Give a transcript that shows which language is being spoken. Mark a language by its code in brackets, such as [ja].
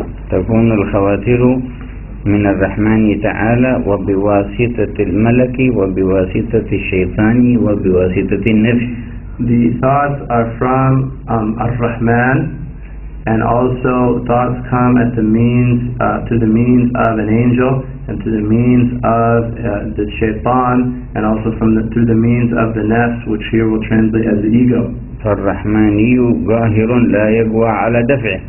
[ar] تكون الخواطر من الرحمن تعالى وبواسطة الملك وبواسطة الشيطان وبواسطة النفس. [en] The thoughts are from الرحمن, and also thoughts come at the means to the means of an angel and to the means of the شيطان, and also from the through the means of the nafs, which here will translate as the ego. [ar] فالرحماني قاهر لا يقوى على دفعه.